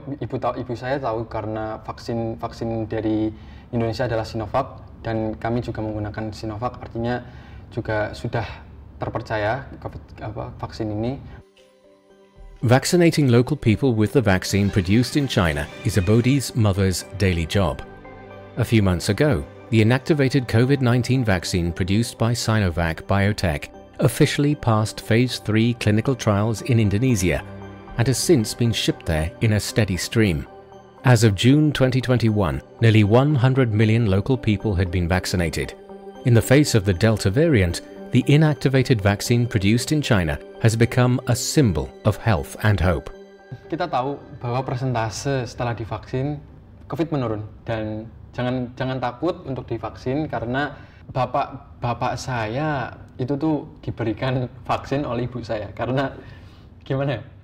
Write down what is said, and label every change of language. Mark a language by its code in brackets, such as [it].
[id] Ibu saya tahu karena vaksin dari Indonesia adalah Sinovac dan kami juga menggunakan Sinovac, artinya juga sudah terpercaya vaksin ini. [en] Vaccinating local people with the vaccine produced in China is Ebodi's mother's daily job. A few months ago, the inactivated COVID-19 vaccine produced by Sinovac Biotech officially passed phase 3 clinical trials in Indonesia and has since been shipped there in a steady stream. As of June 2021, nearly 100 million local people had been vaccinated. In the face of the Delta variant, the inactivated vaccine produced in China has become a symbol of health and hope. [id] Kita tahu bahwa persentase setelah divaksin COVID menurun dan jangan takut untuk divaksin karena bapak saya itu tuh diberikan vaksin oleh ibu saya karena gimana?